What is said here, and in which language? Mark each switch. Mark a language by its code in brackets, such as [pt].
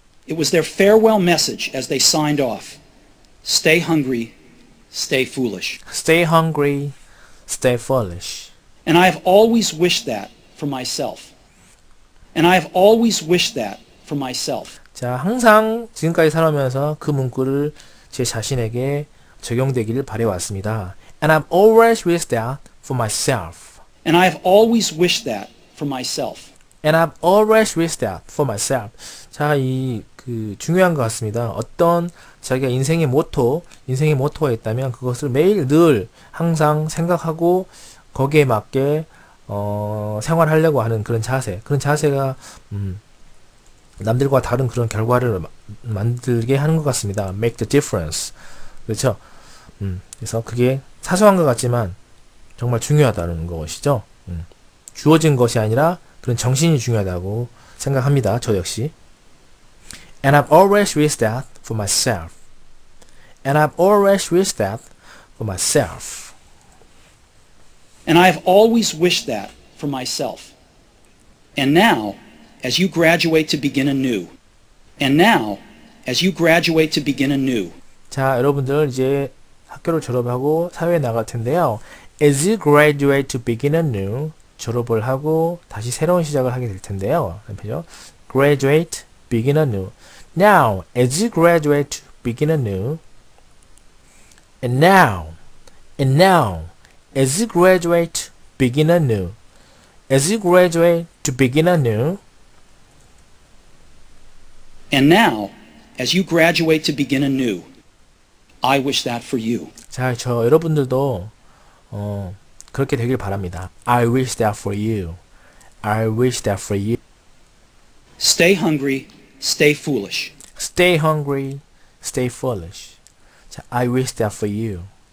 [en] It was their farewell message as they signed off. Stay hungry, stay foolish. Stay hungry, stay foolish. And I have always wished that for myself. And I have always wished that for myself. [ko] 자, 항상 지금까지 살아오면서 그 문구를 제 자신에게 적용되기를 바래왔습니다. [en] And I've always wished that for myself. And I have always wished that for myself. And I've always wished that for myself. [ko] 자, 이, 그, 중요한 것 같습니다. 어떤 자기가 인생의 모토, 인생의 모토가 있다면 그것을 매일 늘 항상 생각하고 거기에 맞게, 생활하려고 하는 그런 자세. 그런 자세가, 남들과 다른 그런 결과를 만들게 하는 것 같습니다. [en] Make the difference. [ko] 그렇죠? 그래서 그게 사소한 것 같지만 정말 중요하다는 것이죠. 주어진 것이 아니라 그런 정신이 중요하다고 생각합니다. 저 역시. [en] And I've always wished that for myself. And I've always wished that for myself. And I've always wished that for myself. And now, as you graduate to begin anew. And now, as you graduate to begin anew. [ko] 자, 여러분들 이제 학교를 졸업하고 사회에 나갈 텐데요. [en] As you graduate to begin anew. [ko] 졸업을 하고 다시 새로운 시작을 하게 될 텐데요. [en] Graduate, begin anew. Now, as you graduate to begin anew. And now, as you graduate to begin anew. As you graduate to begin anew. And now, as you graduate to begin anew. I wish that for you. [ko] 자, 저 여러분들도 그렇게 되길 바랍니다. [en] I wish that for you. I wish that for you. Stay hungry, stay foolish. Stay hungry, stay foolish. 자, I wish that for you.